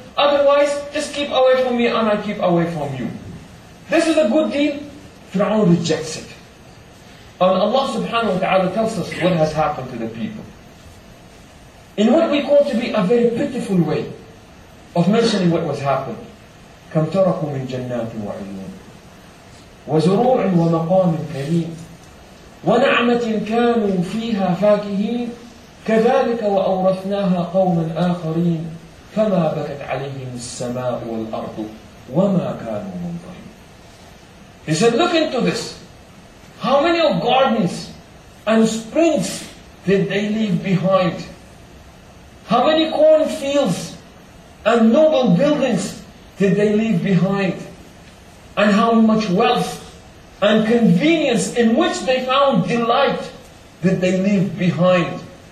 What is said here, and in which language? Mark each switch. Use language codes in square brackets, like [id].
[en] Otherwise, just keep away from me, and I keep away from you. This is a good deal. Fir'aun rejects it. And Allah subhanahu wa ta'ala tells us what has happened to the people. In what we call to be a very pitiful way of mentioning what was happened. [ar] كم تركوا من جنات وعيون وزروع ومقام كريم ونعمة كانوا فيها فاكهين كذلك وأورثناها قوما آخرين فما بكت عليهم السماء والأرض وما كانوا منظرين. [en] He said, look into this. How many of gardens and springs did they leave behind? How many corn fields and noble buildings did they leave behind? And how much wealth and convenience in which they found delight did they leave behind?